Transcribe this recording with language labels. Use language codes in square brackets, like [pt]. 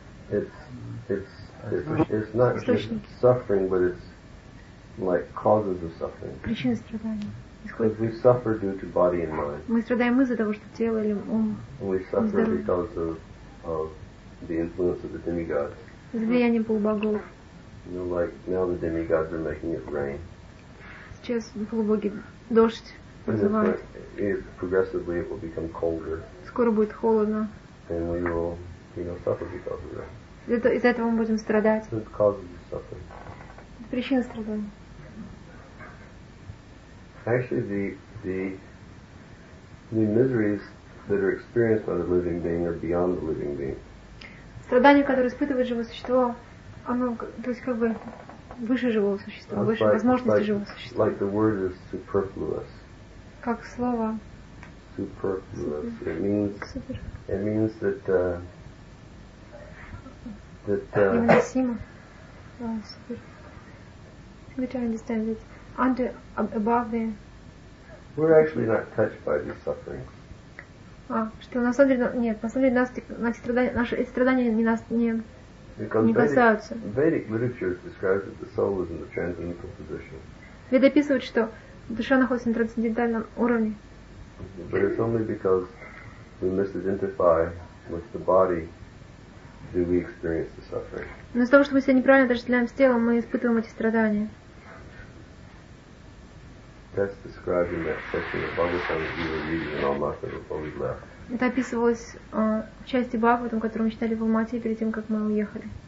[en] It's not suffering, but it's like causes of suffering. [ru] Причины страдания. [en] Because we suffer due to body and mind. [ru] Мы страдаем из-за того, что тело или ум. [en] We suffer because of the influence of the demigods. [ru] Влияние полубогов. [en] You know, like now the demigods are making it rain. [ru] Сейчас полубоги дождь вызывают. [en] Progressively it will become colder. [ru] Скоро будет холодно. [en] And we will, you know, suffer because of that. [ru] Из-за этого мы будем страдать. [en] It causes you suffering. [ru] Это причина страдания. [en] Actually, the miseries that are experienced by the living being are beyond the living being. [ru] Страдания, которые испытывает живое существо, оно, то есть как бы выше живого существа, выше возможности живого существа. [en] Like the word is superfluous. [ru] Как слово. [en] Superfluous. It means that. Let me understand it. Under, above the. We're actually not touched by these sufferings. [ru] Что на самом деле нет, на самом деле наши страдания не касаются. [en] Vedic literature describes that the soul is in the transcendental position. [ru] Веды описывают, что душа находится на трансцендентальном уровне. [en] But it's only because we misidentify with the body do we experience the suffering. [ru] Но из-за того, что мы себя неправильно отождествляем с телом, мы испытываем эти страдания. [en] That's described in that section of Bhagavatam that we were reading in Almaty before we left. [ru] Это описывалось в части Бхагаватам, которую мы читали в Алмате перед тем, как мы уехали.